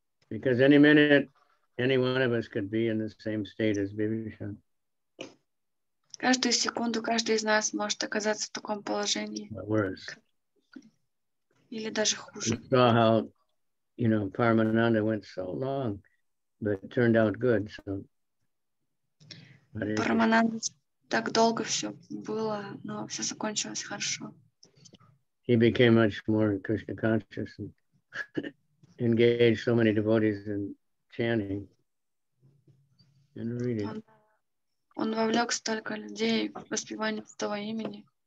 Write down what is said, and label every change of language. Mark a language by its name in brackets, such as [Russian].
[English] Because any minute, any one of us could be in the same state as Vibhishan. [Russian] Каждую секунду каждый из нас может оказаться в таком положении. Или даже хуже. [English] We saw how, you know, Paramananda went so long, but it turned out good. So. [Russian] Paramananda так долго все было, но все закончилось хорошо. [English] He became much more Krishna conscious and engaged so many devotees in chanting and reading. [Russian] Он вовлек столько людей в воспевание этого имени.